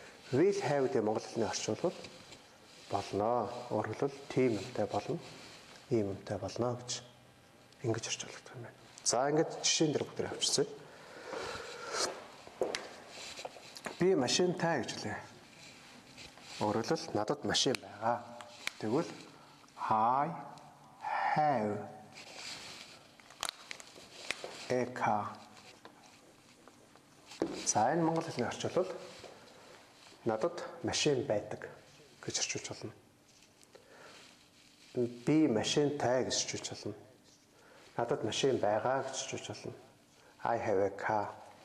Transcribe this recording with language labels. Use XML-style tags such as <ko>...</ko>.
<mn>Will have гэдэг монгол хэлний орчуулгад болно. Өөрөглөл тийм юмтай болно. Ийм юмтай болно гэж ингэж орчуулдаг юм байна. За ингэж жишээн дээр бүгдээр авчирцгаая. Би машинтай гэж үлээ. Өөрөглөл надад машин байгаа. Тэгвэл</mn> <en>I have a car.</en> <mn>За энэ монгол хэлний орчуулбал надад машин байдаг гэж орчуулж болно. Би машинтай гэж орчуулж болно. Надад машин байгаа гэж орчуулж болно.</mn> <en>I have a car.</en>